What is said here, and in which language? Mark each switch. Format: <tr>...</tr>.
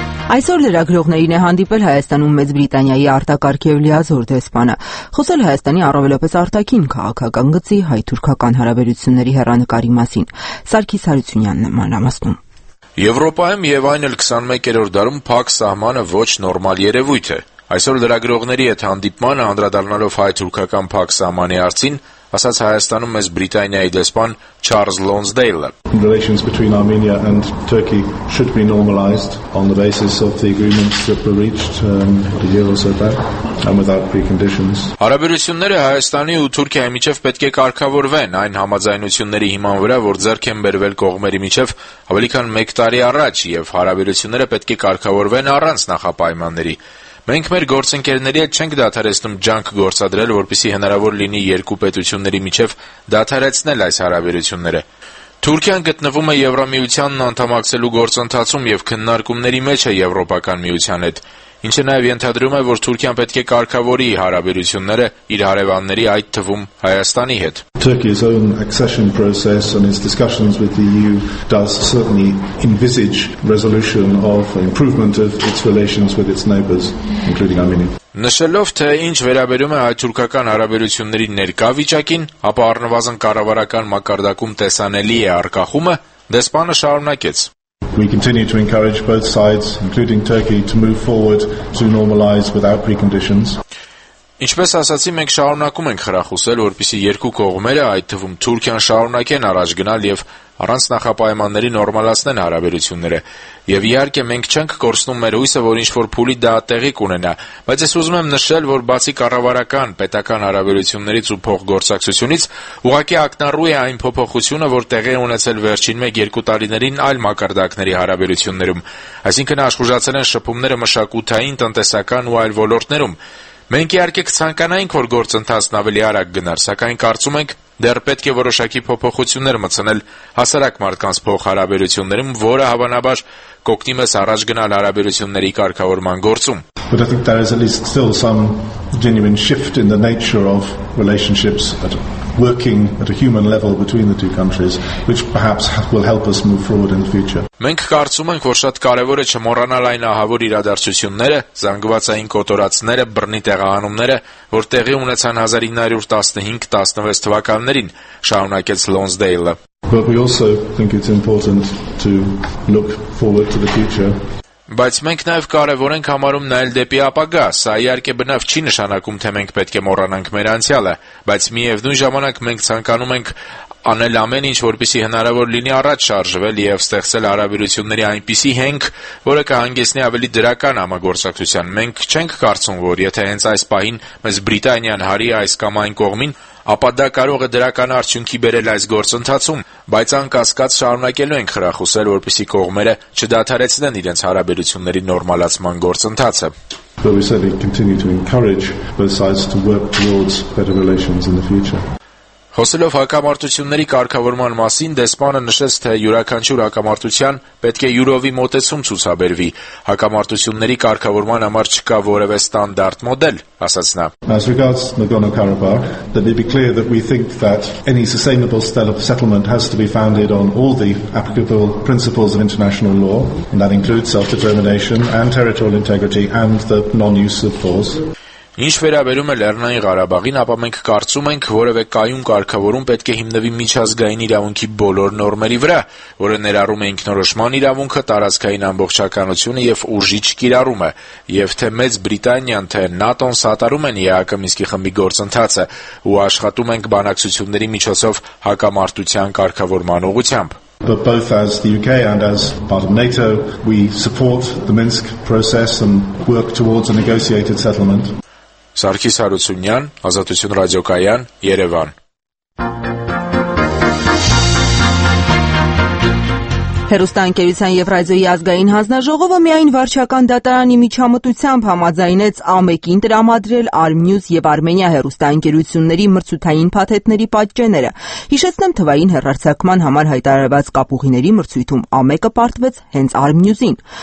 <hy>Այսօր լրագրողներին է հանդիպել Հայաստանում Մեծ Բրիտանիայի արտակարգ և լիազոր դեսպանը, խոսել Հայաստանի առավելապես արտաքին քաղաքական գծի հայ-թուրքական հարաբերությունների հեռանկարի մասին։ Սարգիս Հարությունյանն է մանրամասնում։ Եվրոպայում և այն էլ 21-րդ դարում փակ սահմանը ոչ նորմալ երևույթ է։ Այսօր լրագրողների հետ հանդիպմանը անդրադառնալով հայ-թուրքական փակ սահմանի արդին, ասաց Հայաստանում Մեծ Բրիտանիայի դեսպան Չարլզ Լոնսդեյլը.</hy> <en>Relations between Armenia and Turkey should be normalized on the basis of the agreements that were reached a year or so back and without preconditions.</en> <hy>Հարաբերությունները Հայաստանի ու Թուրքիայի միջև պետք է կարգավորվեն այն համաձայնությունների հիման վրա, որ ձեռք են բերվել կողմերի միջև ավելի քան 1 տարի առաջ, եւ հարաբերությունները պետք է կարգավորվեն առանց նախապայմանների։ Մենք մեր գործընկերների հետ չենք դադարեցնում ջանք գործադրել, որպեսզի հնարավոր լինի երկու պետությունների միջև դադարեցնել այս հարաբերությունները։ Թուրքիան գտնվում է Եվրամիությանն անդամակցելու գործընթացում եւ քննարկումների մեջ է Եվրոպական միության հետ, ինչը նաեւ ենթադրում է, որ Թուրքիան պետք է կարգավորի հարաբերությունները իր հարևանների, այդ թվում Հայաստանի հետ։</hy> <en>Turkey's own accession process and its discussions with the EU does certainly envisage resolution of improvement of its relations with its neighbors, including Armenia.</en> <hy>Նշելով, թե ինչ վերաբերում է հայ-թուրքական հարաբերությունների ներկա վիճակին, ապա առնվազն կառավարական մակարդակում տեսանելի է արկախումը, դեսպանը շարունակեց.</hy> <en>We continue to encourage both sides, including Turkey, to move forward to normalize without preconditions.</en> <hy>Ինչպես ասացի, մենք շարունակում ենք խրախուսել, որպեսզի երկու կողմերը, այդ թվում Թուրքիան, շարունակեն առաջ գնալ եւ առանց նախապայմանների նորմալացնեն հարաբերությունները։ Եվ իհարկե մենք չենք կորցնում մեր հույսը, որ ինչ-որ փուլի դա տեղի կունենա, բայց ես ուզում եմ նշել, որ բացի կառավարական, պետական հարաբերություններից ու փոխգործակցությունից, ուղղակի ակնառու է այն փոփոխությունը, որ տեղի ունեցել վերջին 1-2 տարիներին այլ մակարդակների հարաբերություններում, այսինքն աշխուժացել են շփումները մշակութային, տնտեսական ու այլ ոլորտներում։ Մենք իհարկե կցանկանայինք, որ գործընթացն ավելի արագ գնար, սակայն կարծում ենք, դեռ պետք է որոշակի փոփոխություններ մտցնել հասարակ մարդկանց փոխհարաբերություններում, որը հավանաբար կօգնի մեզ առաջ գնալ հարաբերությունների կարգավորման գործում։</hy> <en>But I think there is at least still some genuine shift in the nature of relationships at working at a human level between the two countries, which perhaps will help us move forward in the future.</en> <hy>Մենք կարծում ենք, որ շատ կարևոր է չմոռանալ այն ահավոր իրադարձությունները, զանգվածային կոտորածները, բռնի տեղահանումները, որ տեղի ունեցան 1915-16 թվականներին, շարունակեց Lonsdale-ը.</hy> <en>But we also think it's important to look forward to the future.</en> <hy>Բայց մենք նաև կարևոր ենք համարում նայել դեպի ապագա, սա իհարկե բնավ չի նշանակում, թե մենք պետք է մոռանանք մեր անցյալը, բայց միևնույն ժամանակ մենք ցանկանում ենք անել ամեն ինչ, որպեսզի հնարավոր լինի առաջ շարժվել և ստեղծել հարաբերությունների այնպիսի հենք, որը կհանգեցնի ավելի դրական համագործակցության։ Մենք չենք կարծում, որ եթե հենց այս պահին մեզ Բրիտանիան հարի այս կամ այն կողմին, ապա դա կարող է դրական արդյունքի բերել այս գործընթացում, բայց անկասկած շարունակելու ենք խրախուսել, որպեսզի կողմերը չդադարեցնեն իրենց հարաբերությունների նորմալացման գործընթացը։</hy> <en>But we certainly continue to encourage both sides to work towards better relations in the future.</en> <hy>Հոսելով հակամարտությունների կարգավորման մասին, դեսպանը նշեց, թե յուրաքանչյուր հակամարտության պետք է յուրովի մոտեցում ցուցաբերվի։ Հակամարտությունների կարգավորման համար չկա որևէ ստանդարտ մոդել, ասաց նա։</hy> <en>As regards Nagorno-Karabakh, let me be clear that we think that any sustainable settlement has to be founded on all the applicable principles of international law, and that includes self-determination and territorial integrity and the non-use of force.</en> <hy>Ինչ վերաբերում է Լեռնային Ղարաբաղին, ապա մենք կարծում ենք, որևէ կայուն կարգավորում պետք է հիմնվի միջազգային իրավունքի բոլոր նորմերի վրա, որը ներառում է ինքնորոշման իրավունքը, տարածքային ամբողջականությունը եւ ուժի չկիրառումը, եւ թե Մեծ Բրիտանիան թե ՆԱՏՕ-ն սատարում են ԵԱԿ-ի Մինսկի խմբի գործընթացը ու աշխատում ենք բանակցությունների միջոցով հակամարտության կարգավորման ուղղությամբ։</hy> <en>But both as the UK and as part of NATO, we support the Minsk process and work towards a negotiated settlement.</en> <hy>Սարգիս Հարությունյան, Ազատություն Ռադիոկայան, Երևան։ Հեռուստաընկերության և ռադիոյի ազգային հանձնաժողովը միայն վարչական դատարանի միջամտությամբ համաձայնեց ԱՄԵԿ-ին տրամադրել Armenius և Armenia հեռուստաընկերությունների մրցութային փաթեթների պատճենները։ Հիշեցնեմ, թվային հեռարձակման համար հայտարարված կապուղիների մրցույթում ԱՄԵԿ-ը պարտվեց հենց Armenius-ին։</hy>